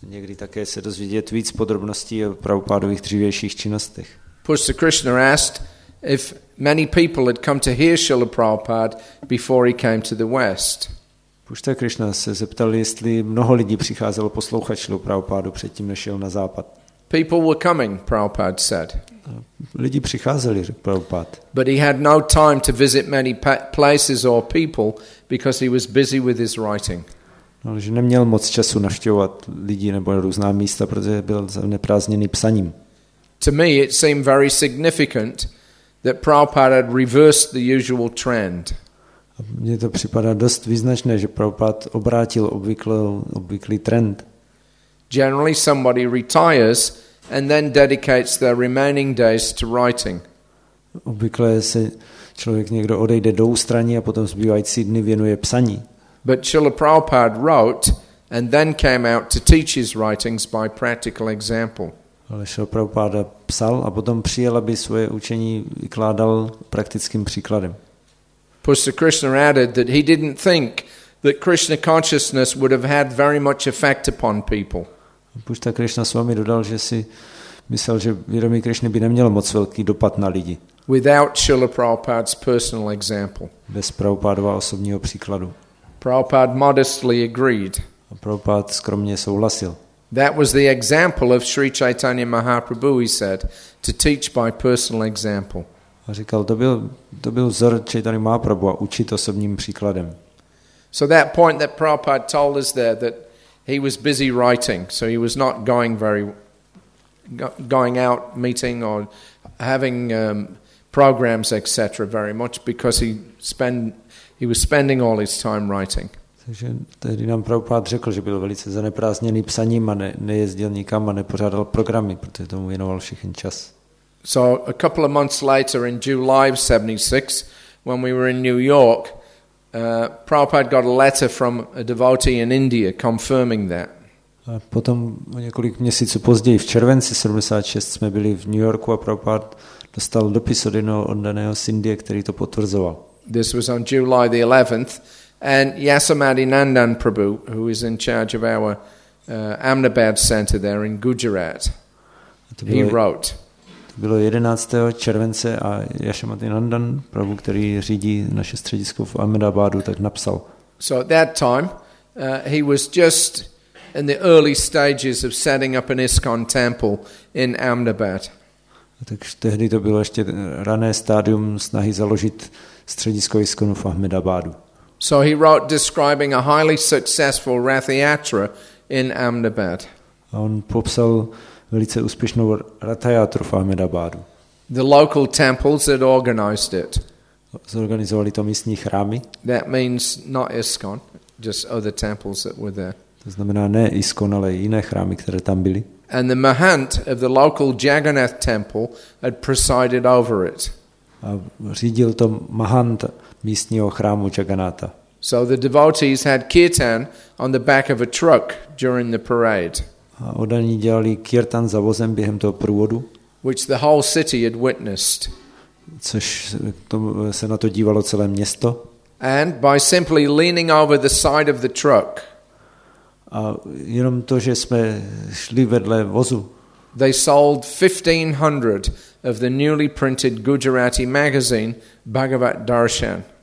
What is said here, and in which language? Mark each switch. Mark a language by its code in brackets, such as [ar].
[cs] Někdy také se dozvědět víc podrobností o Prabhupádových dřívějších činnostech. [en] Pushtakrishna asked if many people had come to hear Srila Prabhupada before he came to the West. [cs] Pushtakrishna se zeptal, jestli mnoho lidí přicházelo poslouchat Srila Prabhupádu předtím, než šel na západ. [en] People were coming, Prabhupada said. [cs] Lidi přicházeli, řekl Prabhupád. [en] But he had no time to visit many places or people because he was busy with his writing. [cs] No, že neměl moc času navštěvovat lidi nebo různá místa, protože byl zaneprázdněný psaním. [en] To me it seemed very significant that Prabhupada had reversed the usual trend. [cs] Mně to připadá dost význačné, že Prabhupád obrátil obvyklý trend. [en] Generally somebody retires and then dedicates their remaining days to writing. [cs] Obvykle se člověk někdo odejde do ústraní a potom zbývající dny věnuje psaní. [en] But Srila Prabhupada wrote and then came out to teach his writings by practical example. [cs] Ale Srila Prabhupada psal a potom přijel, aby svoje učení vykládal praktickým příkladem. [en] Pushtakrishna added that he didn't think that Krishna consciousness would have had very much effect upon people. [cs] Pushtakrishna Swami dodal, že si myslel, že vědomí Krishny by nemělo moc velký dopad na lidi. [en] Without Srila Prabhupada's personal example. [cs] Bez Prabhupádova osobního příkladu. [en] Prabhupada modestly agreed. [cs] A Prabhupada skromně souhlasil. [en] That was the example of Sri Chaitanya Mahaprabhu, he said, to teach by personal example. [cs] A říkal, to byl vzor Chaitanya Mahaprabhu a učit osobním příkladem. [en] So that point that Prabhupada told us there that he was busy writing, so he was not going out meeting or having programs etc. very much because he was spending all his time writing. [cs] Takže tehdy nám Prabhupada řekl, že byl velice zaneprázdněný psaním a nejezdil nikam a nepořádal programy, protože tomu věnoval všechen čas. [en] So a couple of months later in July of 76 when we were in New York, Prabhupada got a letter from a devotee in India confirming that. [cs] A potom o několik měsíců později v červenci 76 jsme byli v New Yorku a Prabhupada dostal dopis od jednoho oddaného z Indie, který to potvrzoval. [en] This was on July the 11th and Yasomadi Nandan Prabhu, who is in charge of our Ahmedabad center there in Gujarat, he wrote. [cs] To bylo 11. července a Yashamati Nandan, Prabhu, který řídí naše středisko v Ahmedabadu, tak napsal. [en] So at that time, he was just in the early stages of setting up an ISKCON temple in Ahmedabad. [cs] Takže tehdy to bylo ještě rané stádium snahy založit středisko ISKCONu v Ahmedabadu. [en] So he wrote describing a highly successful Rathyatra in Ahmedabad. [cs] A on popsal velice úspěšnou Rathyatru v Ahmedabadu. [en] The local temples had organized it. [cs] Zorganizovali to místní chrámy. [en] That means not ISKCON, just other temples that were there. [cs] To znamená ne ISKCON, ale jiné chrámy, které tam byly. [en] And the Mahant of the local Jagannath temple had presided over it. [cs] A řídil to Mahant místního chrámu Jagannatha. [en] So the devotees had kirtan on the back of a truck during the parade. [cs] A oddaní dělali kirtan za vozem během toho průvodu, [en] which the whole city had witnessed. [cs] Což se na to dívalo celé město. [en] And by simply leaning over the side of the truck, [cs] a jenom to, že jsme šli vedle vozu, [en] they sold 1500 of the newly printed Gujarati magazine Bhagavat Darshan.